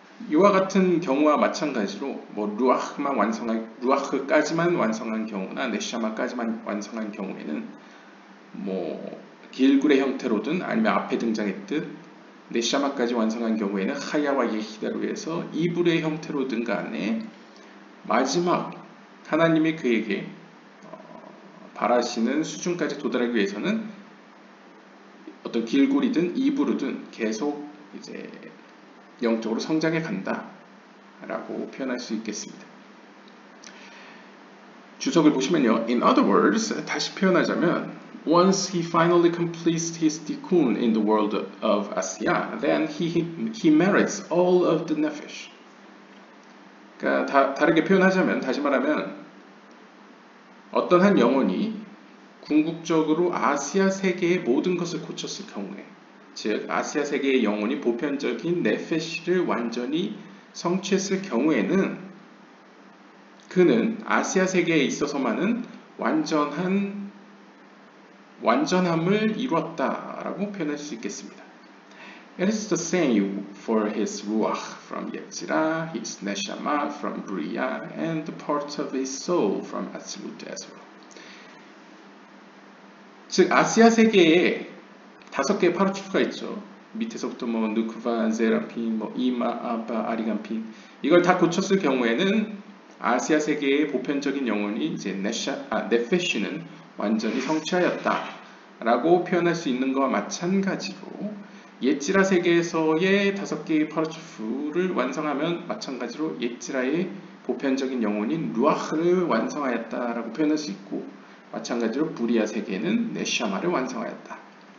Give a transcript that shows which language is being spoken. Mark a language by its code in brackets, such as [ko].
[ko] 이와 같은 경우와 마찬가지로 뭐 루아흐까지만 완성한 경우나 네샤마까지만 완성한 경우에는 뭐 길굴의 형태로든 아니면 앞에 등장했듯 네샤마까지 완성한 경우에는 하야와 예히다로 해서 이불의 형태로든 간에 마지막 하나님이 그에게 바라시는 수준까지 도달하기 위해서는 어떤 길굴이든 이브르든 계속 이제 영적으로 성장해 간다라고 표현할 수 있겠습니다. 주석을 보시면요. [en] In other words, [ko] 다시 표현하자면, [en] once he finally completes his tikkun in the world of Asya, then he merits all of the nefesh. [ko] 그러니까 다르게 표현하자면, 다시 말하면, 어떤 한 영혼이 궁극적으로 아시아 세계의 모든 것을 고쳤을 경우에, 즉 아시아 세계의 영혼이 보편적인 네페시를 완전히 성취했을 경우에는 그는 아시아 세계에 있어서만은 완전함을 이루었다라고 표현할 수 있겠습니다. [en] It is the same for his ruach from Yetzira, his neshama from Bria, and the parts of his soul from Atzilut as well. [ko] 즉 아시아 세계에 다섯 개의 파르투프가 있죠. 밑에서부터 뭐 누크바, 세라핀, 뭐 이마, 아바, 아리간핀 이걸 다 고쳤을 경우에는 아시아 세계의 보편적인 영혼이 이제 네페시는 완전히 성취하였다라고 표현할 수 있는 것과 마찬가지로 예찌라 세계에서의 다섯 개의 파르투프를 완성하면 마찬가지로 예찌라의 보편적인 영혼인 루아흐를 완성하였다라고 표현할 수 있고 마찬가지로 부리아 세계는 네샤마를 완성하였다.